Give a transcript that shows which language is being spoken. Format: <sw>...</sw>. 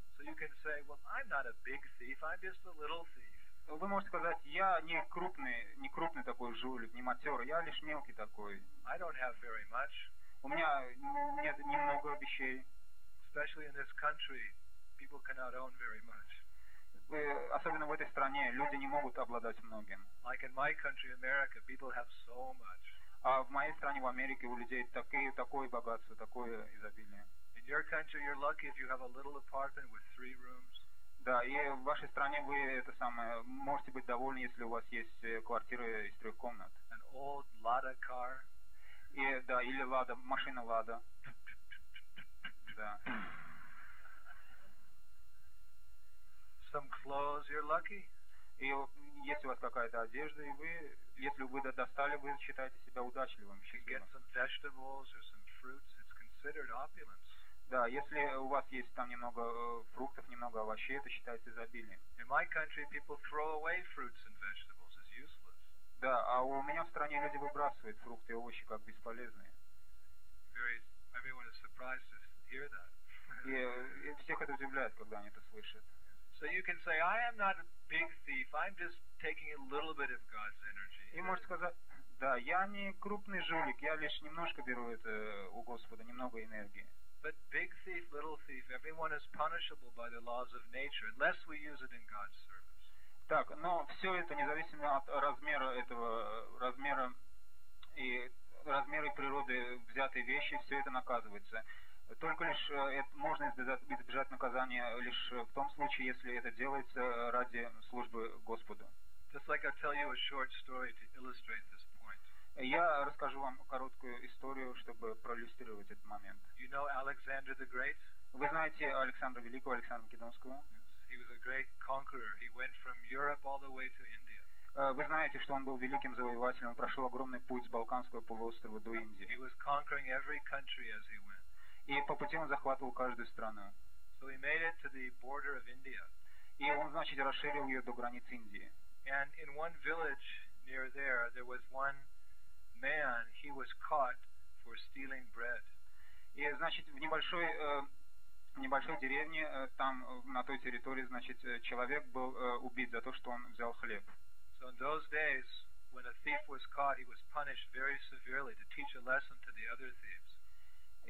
<en>So you can say, well, I'm not a big thief, I'm just a little thief.</en> <ru>Вы можете сказать, я не крупный такой жулик, не матерый, я лишь мелкий такой.</ru> <en>I don't have very much.</en> <ru>У меня нет немного вещей.</ru> <en>Especially in this country, people cannot own very much.</en> <ru>Особенно в этой стране люди не могут обладать многим.</ru> <en>Like in my country, America, people have so much.</en> <ru>А в моей стране, в Америке, у людей такое богатство, такое изобилие.</ru> <en>In your country, you're lucky if you have a little apartment with three rooms.</en> <ru>Да, и в вашей стране вы это самое можете быть довольны, если у вас есть квартира из трех комнат.</ru> <en>An old Lada car.</en> <ru>И да, или Лада, машина Лада. Да.</ru> <en>Some clothes, you're lucky.</en> <ru>И если у вас какая-то одежда, и вы, если вы достали, вы считаете себя удачливым, счастливым.</ru> <en>Get some vegetables or some fruits. It's considered opulence.</en> <ru>Да, если у вас есть там немного фруктов, немного овощей, это считается изобилием.</ru> <en>In my country, people throw away fruits and vegetables. It's useless.</en> <ru>Да, а у меня в стране люди выбрасывают фрукты и овощи как бесполезные.</ru> <en>Everyone is surprised to hear that.</en> <ru>И всех это удивляет, когда они это слышат.</ru> <en>So you can say, I am not a big thief. I'm just taking a little bit of God's energy.</en> <ru>И можешь сказать, да, я не крупный жулик. Я лишь немножко беру это у Господа, немного энергии.</ru> <en>But big thief, little thief, everyone is punishable by the laws of nature, unless we use it in God's service.</en> <ru>Так, но все это независимо от размера этого размера и размеры природы взятые вещи, все это наказывается. Только лишь это можно избежать наказания лишь в том случае, если это делается ради службы Господу.</ru> <en>Just like I'll tell you a short story to illustrate this point.</en> <ru>Я расскажу вам короткую историю, чтобы проиллюстрировать этот момент.</ru> <en>You know Alexander the Great?</en> <ru>Вы знаете Александра Великого, Александра Македонского?</ru> <en>Yes. He was a great conqueror. He went from Europe all the way to India.</en> <ru>Вы знаете, что он был великим завоевателем, он прошел огромный путь с Балканского полуострова до Индии.</ru> <en>He was conquering every country as he went.</en> <ru>И по пути он захватывал каждую страну.</ru> <en>So he made it to the border of India.</en> <ru>И он, значит, расширил ее до границ Индии.</ru> <en>And in one village near there, there was one man. He was caught for stealing bread.</en> <ru>И значит, в небольшой деревне там на той территории, значит, человек был убит за то, что он взял хлеб.</ru> <en>So in those days, when a thief was caught, he was punished very severely to teach a lesson to the other thieves.</en>